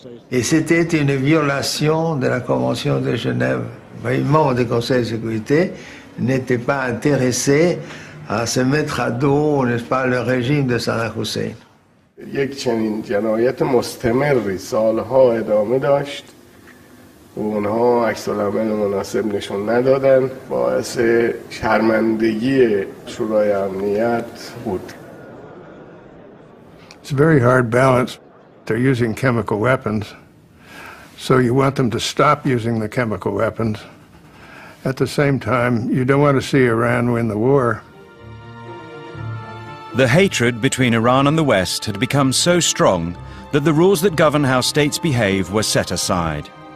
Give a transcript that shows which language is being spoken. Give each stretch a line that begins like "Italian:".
French: Et c'était une violation de la Convention de Genève. Les membres du Conseil de sécurité n'étaient pas intéressés à se mettre à dos, n'est-ce pas, le régime de Saddam Hussein.
Persian: یک چنین جنایت مستمری سالها ادامه داشت و اونها عکس‌العمل مناسب نشون ندادن باعث شرمندگی شورای امنیت بود.
English: It's a very hard balance. They're using chemical weapons, so you want them to stop using the chemical weapons. At the same time, you don't want to see Iran win the war. The hatred between Iran and the West had become so strong that the rules that govern how states behave were set aside.